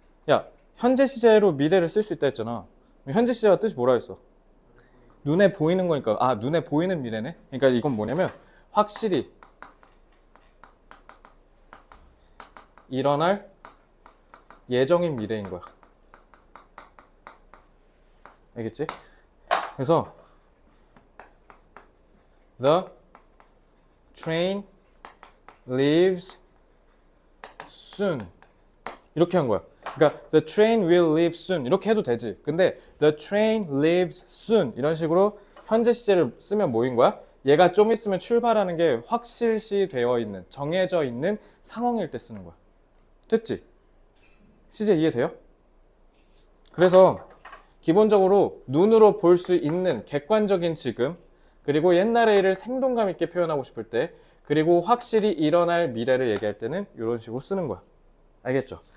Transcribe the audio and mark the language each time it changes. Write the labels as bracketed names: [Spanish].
[Korean] 야, 현재 시제로 미래를 쓸수 있다 했잖아. 현재 시제가 뜻이 뭐라 했어? 눈에 보이는 거니까. 아, 눈에 보이는 미래네. 그러니까 이건 뭐냐면 확실히 일어날 예정인 미래인 거야. 알겠지? 그래서 [English] The train leaves soon. [Korean] 이렇게 한 거야. 그러니까 [English] the train will leave soon [Korean] 이렇게 해도 되지. 근데 [English] the train leaves soon [Korean] 이런 식으로 현재 시제를 쓰면 뭐인 거야? 얘가 좀 있으면 출발하는 게 확실시 되어 있는, 정해져 있는 상황일 때 쓰는 거야. 됐지? 시제 이해돼요? 그래서 기본적으로 눈으로 볼수 있는 객관적인 지금, 그리고 옛날의 일을 생동감 있게 표현하고 싶을 때, 그리고 확실히 일어날 미래를 얘기할 때는 이런 식으로 쓰는 거야. 알겠죠?